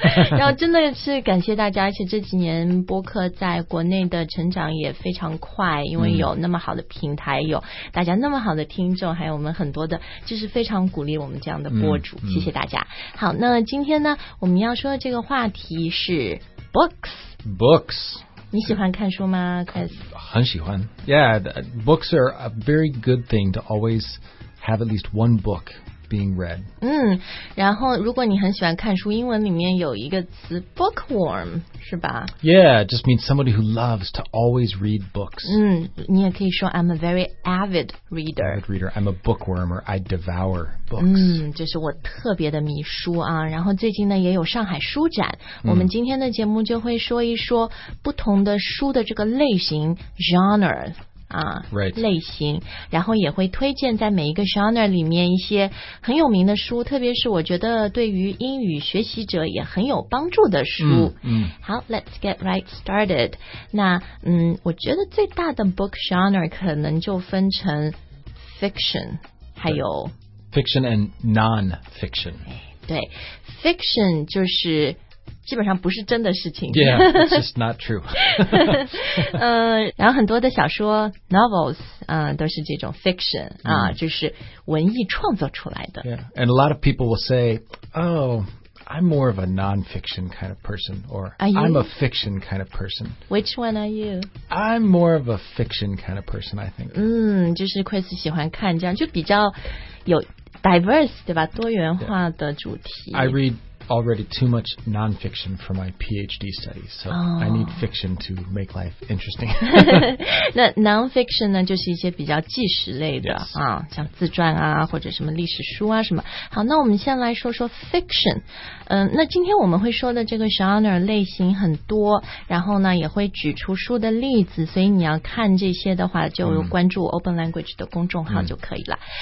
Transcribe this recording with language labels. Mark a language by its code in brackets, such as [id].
[zh] 然后真的是感谢大家，而且这几年播客在国内的成长也非常快，因为有那么好的平台，有大家那么好的听众，还有我们很多的就是非常鼓励我们这样的播主，谢谢大家。好，那今天呢我们要说的这个话题是 books。你喜欢看书吗 ，Chris？很喜欢。 [en] Yeah, books are a very good thing to always have at least one book being read. [zh] 然后如果你很喜欢看书，英文里面有一个词 bookworm， 是吧 [en] ？Yeah, it just means somebody who loves to always read books. [zh] 你也可以说 [en] I'm a very avid reader. Avid reader, I'm a bookworm, or I devour books. [zh] 就是我特别的迷书啊。然后最近呢也有上海书展，我们今天的节目就会说一说不同的书的这个类型 genre。 [en] Right. [zh] 类型，然后也会推荐在每一个 genre 里面一些很有名的书，特别是我觉得对于英语学习者也很有帮助的书。好 ， [en] Let's get right started。 [zh] 那我觉得最大的 book genre 可能就分成 fiction， 还有 [en] fiction and non-fiction。 [zh] 对 ，fiction 就是。基本上不是真的事情。 [en] Yeah, it's just not true. [zh] 然后很多的小说 novels 都是这种 fiction 就是文艺创作出来的。 [en] Yeah, and a lot of people will say, "Oh, I'm more of a non-fiction kind of person," or "I'm a fiction kind of person." Which one are you? I'm more of a fiction kind of person, I think. [zh] 就是 Chris 喜欢看这样就比较有 diverse 对吧？多元化的主题。 [en] Yeah. I read. Already too much non-fiction for my PhD studies, so、I need fiction to make life interesting. [zh] 那 non-fiction 呢，就是一些比较纪实类的、 [en] yes. [zh] 像自传啊，或者什么历史书啊什么。好，那我们先来说说 fiction。那今天我们会说的这个 genre 类型很多，然后呢也会举出书的例子，所以你要看这些的话，就关注 Open Language 的公众号就可以了。